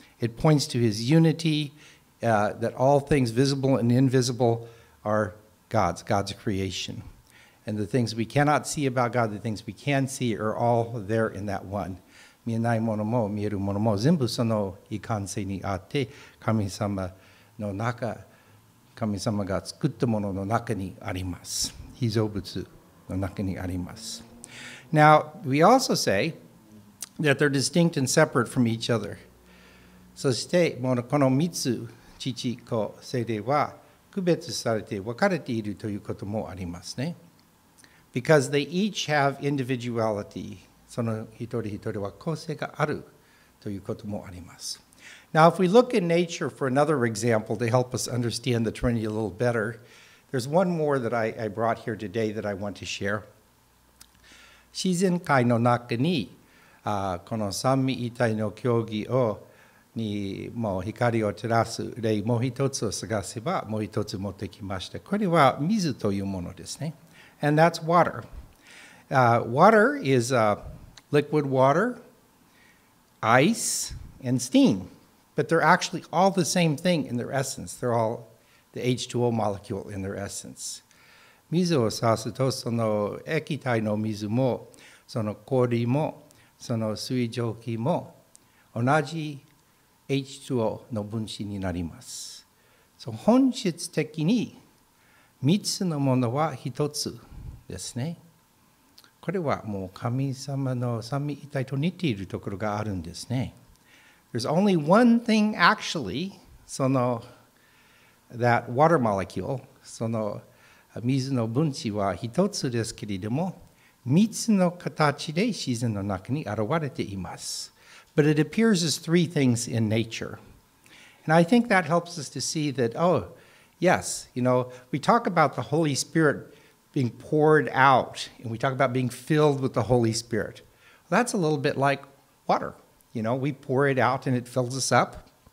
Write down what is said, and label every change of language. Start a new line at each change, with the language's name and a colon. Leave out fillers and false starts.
English: It points to his unity, that all things visible and invisible are God's creation. And the things we cannot see about God, the things we can see are all there in that one.
Japanese: 見えないものも見えるものも全部その一貫性にあって、神様の中、神様が作ったものの中にあります。被造物の中にあります。
English: Now, we also say that they're distinct and separate from each other.
Japanese: そして、この三つ、父、子、聖霊は区別されて分かれているということもありますね。
English: Because they each have individuality.
Japanese: その一人一人は個性があるということもあります。
English: Now, if we look in nature for another example to help us understand the Trinity a little better, there's one more that I brought here today that I want to share.
Japanese: 自然界の中に、この三位一体の教義をにもう光を照らす例、もう一つを探せば、もう一つ持ってきました。これは水というものですね。
English: And that's water. Water is liquid water, ice, and steam. But they're actually all the same thing in their essence. They're all the H2O molecule in their essence.
Japanese: 水を指すと、その液体の水も、その氷も、その水蒸気も、同じ H2O の分子になります。 So, 本質的に、三つのものは一つですね。これはもう神様の三位一体と似ているところがあるんですね。
English: There's only one thing actually, その、that water molecule,
Japanese: その水の分子は一つですけれども、三つの形で自然の中に現れています。
English: But it appears as three things in nature. And I think that helps us to see that, oh, yes, you know, we talk about the Holy Spirit being poured out, and we talk about being filled with the Holy Spirit. Well, that's a little bit like water. You know, we pour it out and it fills us up.